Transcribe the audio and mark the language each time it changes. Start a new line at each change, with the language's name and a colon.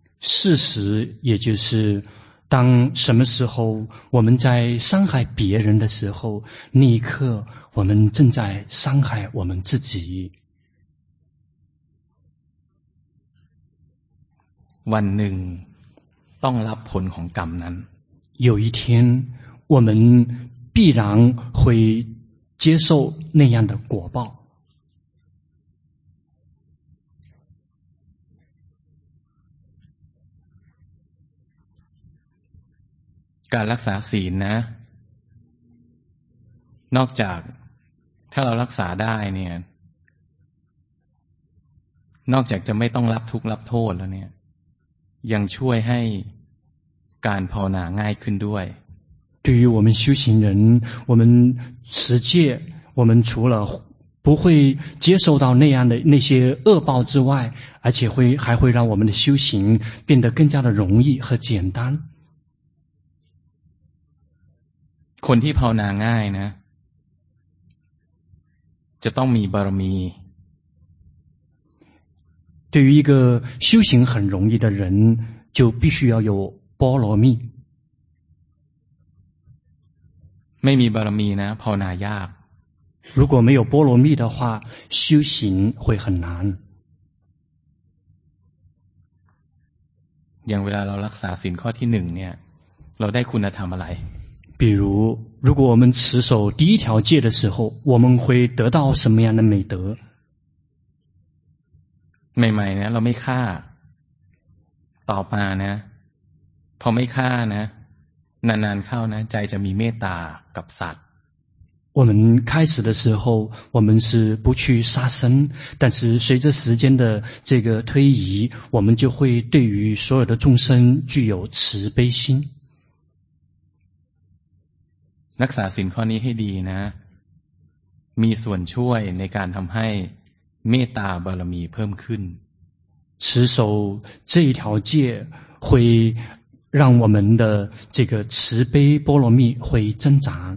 Chinese: 事实也就是当什么时候我们在伤害别人的时候那一刻我们正在伤害我们自己
Thai: วันหนึ่งต้องรับผลของกรรมนั้น
Chinese: 有一天我们必然会接受那样的果报
Thai: การรักษาศีลนะนอกจากถ้าเรารักษาได้เนี่ยนอกจากจะไม่ต้องรับทุกข์รับโทษแล้วเนี่ยยังช่วยให้การภาวนาง่ายขึ้นด้วย
Chinese: 对于我们修行人我们持戒我们除了不会接受到那样的那些恶报之外而且会还会让我们的修行变得更加的容易和简单
Thai: คนที่ภาวนาง่ายนะจะต้องมีบารมี
Chinese: 对于一个修行很容易的人就必须要有波罗蜜
Thai: ไม่มีบารมีนะภาวนายาก
Chinese: 如果没有波罗蜜的话修行会很难
Thai: อย่างเวลาเรารักษาศีลข้อที่หนึ่งเนี่ยเราได้คุณธรรมอะไร
Chinese: 比如如果我们持守第一条戒的时候我们会得到什么样的美德
Thai: ใหม่ๆนะเราไม่ฆ่าต่อมานะพอไม่ฆ่านะนานๆเข้านะใจจะมีเมตตากับสัตว์
Chinese: 我们开始的时候我们是不去杀生但是随着时间的这个推移我们就会对于所有的众生具有慈悲心
Thai: รักษาศีลข้อนี้ให้ดีนะมีส่วนช่วยในการทำให้เมตตาบารมีเพิ่มขึ้น
Chinese: 持守这一条戒会让我们的这个慈悲波罗蜜会增长